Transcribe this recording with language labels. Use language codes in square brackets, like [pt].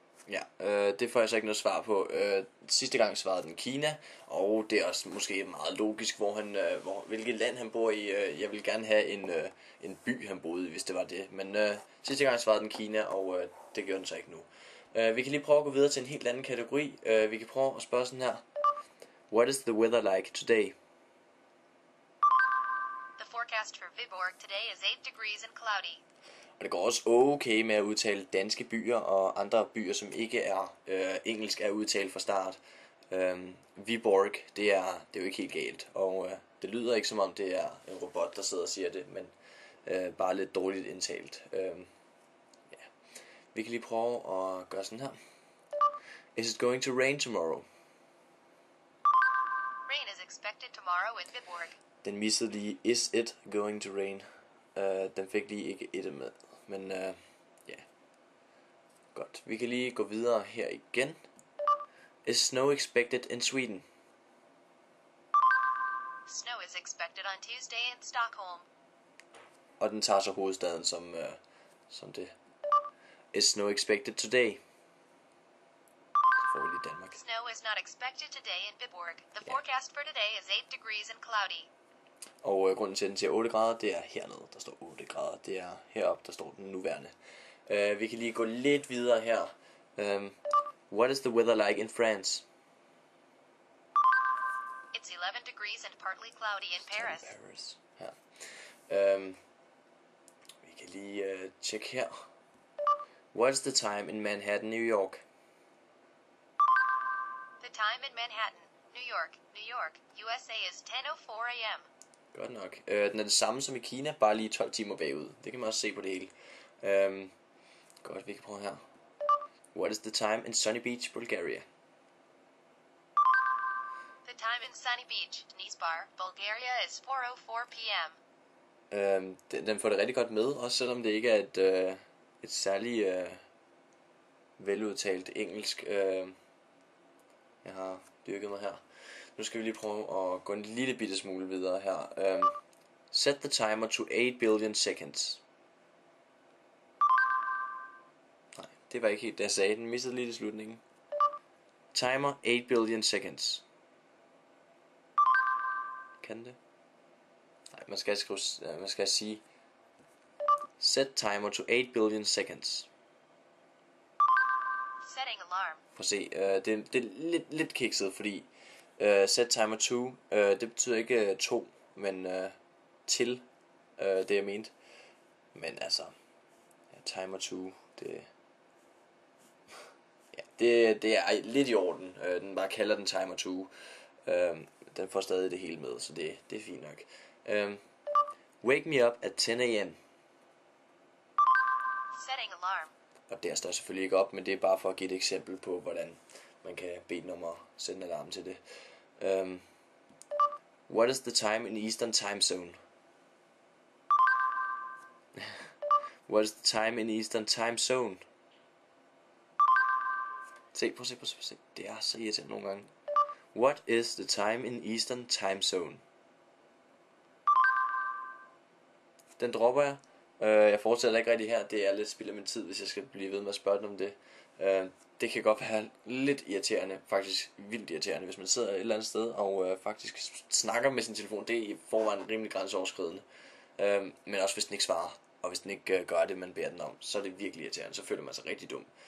[da] Ja, det får jeg så ikke noget svar på. Sidste gang svarede den Kina, og det er også måske meget logisk, hvor han, hvilket land han bor i. Jeg vil gerne have en by, han boede i, hvis det var det. Men sidste gang svarede den Kina, og det gør den så ikke nu. Vi kan lige prøve at gå videre til en helt anden kategori. Vi kan prøve at spørge sådan her. [en] What is the weather like today? The forecast for Viborg today is 8 degrees and cloudy. [da] Og det går også okay med at udtale danske byer og andre byer, som ikke er engelsk, er udtalt fra start. Viborg, det er jo ikke helt galt. Og det lyder ikke, som om det er en robot, der sidder og siger det, men bare lidt dårligt indtalt. Ja. Vi kan lige prøve at gøre sådan her. [en] Is it going to rain tomorrow? Rain is expected tomorrow in Viborg. [da] Den missede lige, [en] is it going to rain? [da] Den fik lige ikke et med. Men ja, godt. Vi kan lige gå videre her igen. [en] Is snow expected in Sweden? Snow is expected on Tuesday in Stockholm. [da] Og den tager så hovedstaden som det. [en] Is snow expected today? [da] Så får vi lige Danmark. [en] Snow is not expected today in Viborg. The forecast for today is 8 degrees and cloudy. [da] Og grunden til, at den siger 8 grader, det er hernede, der står 8 grader. Det er heroppe, der står den nuværende. Vi kan lige gå lidt videre her. [en] What is the weather like in France? It's 11 degrees and partly cloudy in Paris. [da] Paris. Ja. Vi kan lige tjekke her. [en] What is the time in Manhattan, New York? The time in Manhattan, New York, New York, USA is 10:04 a.m. [da] Godt nok. Den er det samme som i Kina, bare lige 12 timer bagud. Det kan man også se på det hele. Godt, vi kan prøve her. [en] What is the time in Sunny Beach, Bulgaria? The time in Sunny Beach, Nisbar, Bulgaria is 4:04 p.m. [da] Den får det rigtig godt med, også selvom det ikke er et særligt veludtalt engelsk. Jeg har dyrket mig her. Nu skal vi lige prøve at gå en lille bitte smule videre her. [en] Set the timer to 8 billion seconds. [da] Nej, det var ikke helt det, jeg sagde. Den missede lige i slutningen. [en] Timer 8 billion seconds. [da] Kan det? Nej, man skal skrive, man skal sige. [en] Set timer to 8 billion seconds. Setting alarm. [da] Prøv at se, det er lidt kikset, fordi [en] set timer to, [da] det betyder ikke to, men til, det jeg mente. Men altså, ja, timer to, det, ja, det er lidt i orden. Den bare kalder den timer to. Den får stadig det hele med, så det er fint nok. [en] Wake me up at 10 a.m. Setting alarm. [da] Og der står selvfølgelig ikke op, men det er bare for at give et eksempel på, hvordan man kan bede den om at sende alarm til det. [en] What is the time in Eastern time zone? What is the time in Eastern time zone? [da] Se. Det er så irriterende nogle gange. What is the time in Eastern time zone? Den dropper jeg. Jeg fortsætter ikke rigtig her. Det er lidt spild af min tid, hvis jeg skal blive ved med at spørge den om det. Det kan godt være lidt irriterende, faktisk vildt irriterende, hvis man sidder et eller andet sted og faktisk snakker med sin telefon. Det er i forvejen rimelig grænseoverskridende. Men også hvis den ikke svarer, og hvis den ikke gør det, man beder den om, så er det virkelig irriterende. Så føler man sig rigtig dum.